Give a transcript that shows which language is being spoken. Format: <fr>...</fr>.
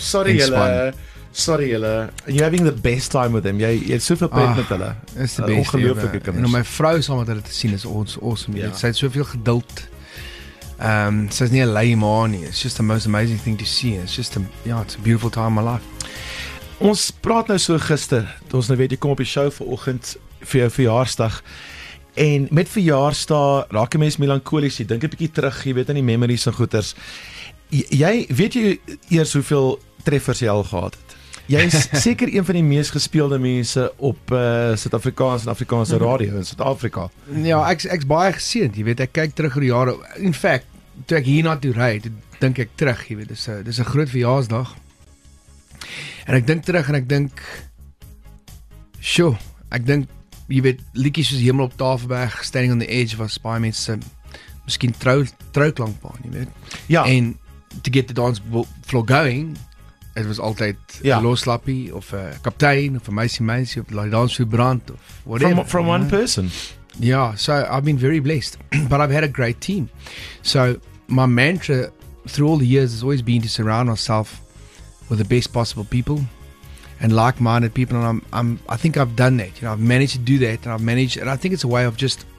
<en>Shame. Sorry julle. You're having the best time with them.</en> <af>Jy het soveel pret met hulle.</af> <en>It's the best.</en> <af>Ongelooflike kinders. En my vrou saam met hulle te sien is ons awesome. Yeah. Sy het soveel geduld. So it's not a lay ma nie.</af> <en>It's just the most amazing thing to see. It's just it's a beautiful time in my life.</en> <af>Ons praat nou so gister, toe ons nou weet, jy kom op die show vanoggend vir jou verjaarsdag. En met verjaarsdag raak jy mens melankolies, jy dink 'n bietjie terug, jy weet aan die memories en goeters. Jy weet jy eers hoeveel treffers jy al gehad het. Jy is seker een van die mees gespeelde mense op Suid-Afrikaans en Afrikaanse radio in Suid-Afrika. Ja, ek's baie geseënd, jy weet, ek kyk terug oor die jare.</af> <en>In fact,</en> <af>toe ek hier na toe ry, dink ek terug, jy weet, dis 'n groot verjaarsdag. En ek dink terug en ek dink, sure, ek dink, jy weet, liedjies soos Hemel op Tafelberg, Standing on the Edge, was baie mense, miskien trouklankbaan, jy weet. Ja. En</af> <en>to get the dance floor going,</en> <af>het was altyd een loslappie, of een kaptein, of een meisie, of</af> <en>like dance floor brand,</en> <af>of whatever.</af> <en>From one person. Ja, so I've been very blessed, but I've had a great team. So my mantra through all the years has always been to surround myself with the best possible people and like-minded people, and I think I've done that. You know, I've managed to do that, and I've managed, and I think it's a way of just.</en>